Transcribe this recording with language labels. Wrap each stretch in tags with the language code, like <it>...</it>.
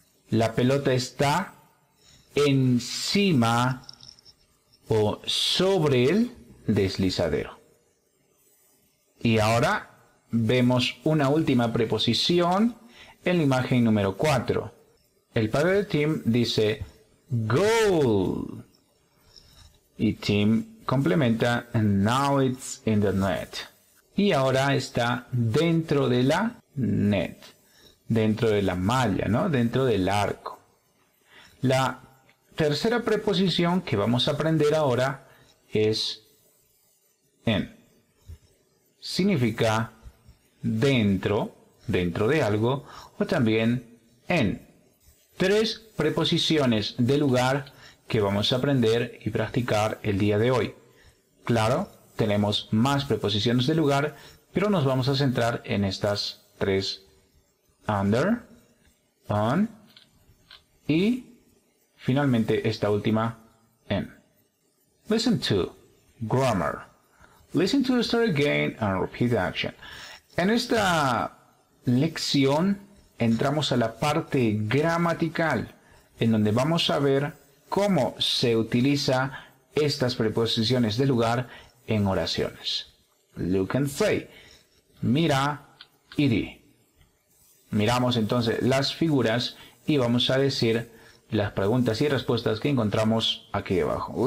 <es>La pelota está encima o sobre el deslizadero. Y ahora vemos una última preposición en la imagen número 4. El padre de Tim dice, goal. Y Tim complementa,</es> <en>now it's in the net.</en> <es>Y ahora está dentro de la net, dentro de la malla, ¿no? Dentro del arco. La tercera preposición que vamos a aprender ahora es en. Significa dentro, dentro de algo, o también en. Tres preposiciones de lugar que vamos a aprender y practicar el día de hoy. Claro, tenemos más preposiciones de lugar, pero nos vamos a centrar en estas tres. Under, on, y finalmente esta última, in.</es> <en>Listen to grammar. Listen to the story again and repeat the action.</en> <es>En esta lección entramos a la parte gramatical, en donde vamos a ver cómo se utiliza estas preposiciones de lugar en oraciones.</es> <en>Look and say.</en> <es>Mira y di. Miramos entonces las figuras y vamos a decir las preguntas y respuestas que encontramos aquí debajo.</es>